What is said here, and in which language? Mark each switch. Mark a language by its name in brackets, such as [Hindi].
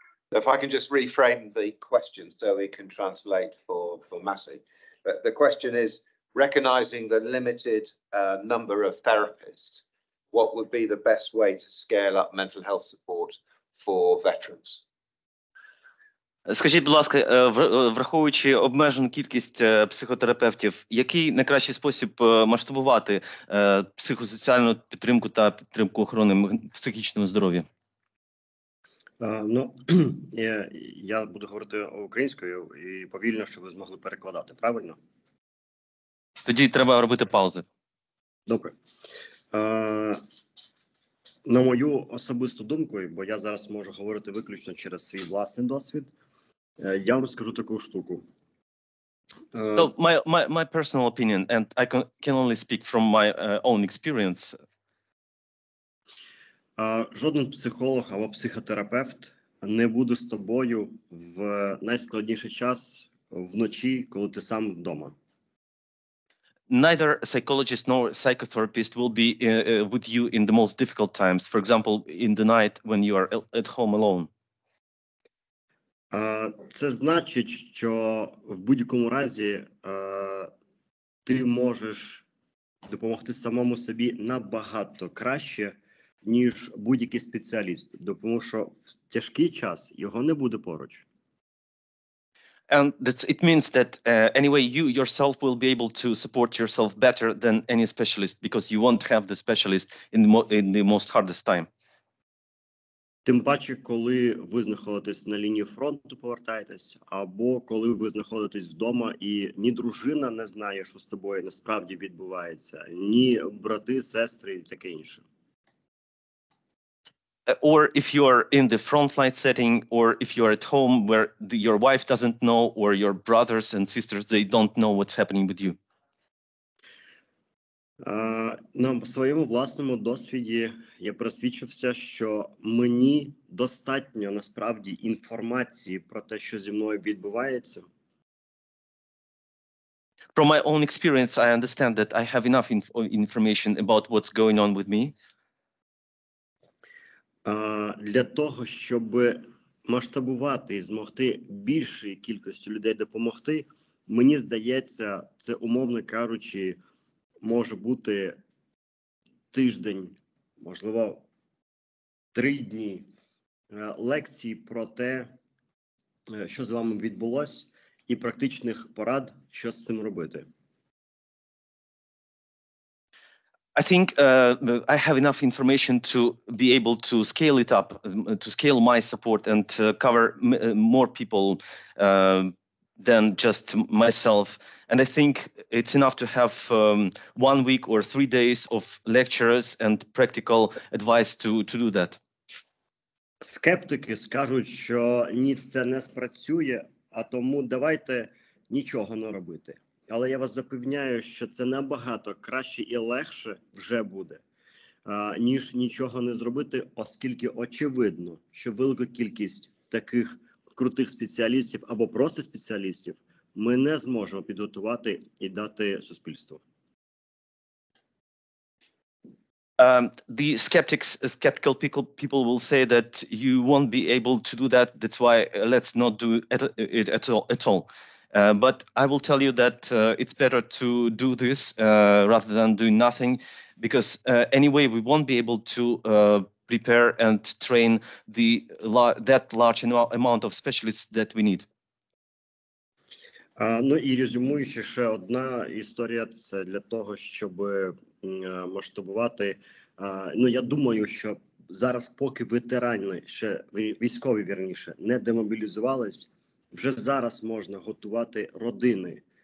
[English] If I can just reframe the question so we can translate for Massey. But the question is, recognizing the limited number of therapists, what would be the best way to scale up mental health support for veterans? [Ukrainian] Скажіть, будь ласка, враховуючи обмежену кількість психотерапевтів, який найкращий спосіб масштабувати психосоціальну підтримку та підтримку охорони психічного здоров'я? Ну, я буду говорити українською і повільно, щоб ви змогли перекладати, правильно? Тоді треба робити паузи. Добре. На мою особисту думку, бо я зараз можу говорити виключно через свій власний досвід, я вам скажу таку штуку. [English] Well, my personal opinion, and I can only speak from my own experience. [Ukrainian] Жоден психолог або психотерапевт не буде з тобою в найскладніший час вночі, коли ти сам вдома. [English] Neither psychologist nor psychotherapist will be with you in the most difficult times, for example, in the night when you are at home alone. [Ukrainian] Це значить, що в будь-якому разі ти можеш допомогти самому собі набагато краще, ніж будь-який спеціаліст, тому що в тяжкий час його не буде поруч. [English] And that it means that anyway, you yourself will be able to support yourself better than any specialist because you won't have the specialist in the most hardest time. [Ukrainian] Тим паче, коли ви знаходитесь на лінії фронту, повертаєтесь, або коли ви знаходитесь вдома і ні дружина не знає, що з тобою насправді відбувається, ні брати, сестри і таке інше. [English] Or if you are in the frontline setting, or if you are at home where your wife doesn't know, or your brothers and sisters, they don't know what's happening with you. [Ukrainian] На своєму власному досвіді я просвідчився, що мені достатньо насправді інформації про те, що зі мною відбувається. [English] From my own experience, I understand that I have enough information about what's going on with me. [Ukrainian] Для того, щоб масштабувати і змогти більшій кількості людей допомогти, мені здається, це, умовно кажучи, може бути тиждень, можливо, три дні лекцій про те, що з вами відбулось, і практичних порад, що з цим робити. [English] I think I have enough information to be able to scale it up, to scale my support and to cover more people than just myself. And I think it's enough to have 1 week or 3 days of lectures and practical advice to do that. [Ukrainian] Скептики скажуть, що ні, це не спрацює, а тому давайте нічого не робити. Але я вас запевняю, що це набагато краще і легше вже буде, ніж нічого не зробити, оскільки очевидно, що велика кількість таких крутих спеціалістів або просто спеціалістів ми не зможемо підготувати і дати суспільству. [English] The skeptics, skeptical people will say that you won't be able to do that. That's why let's not do it at all. But I will tell you that it's better to do this rather than doing nothing, because anyway, we won't be able to prepare and train the that large amount of specialists that we need. [Ukrainian] Ну і резюмуючи, ще одна історія, це для того, щоб масштабувати. Ну, я думаю, що зараз, поки ветерани, ще військові, вірніше, не демобілізувались, вже зараз можна готувати родини.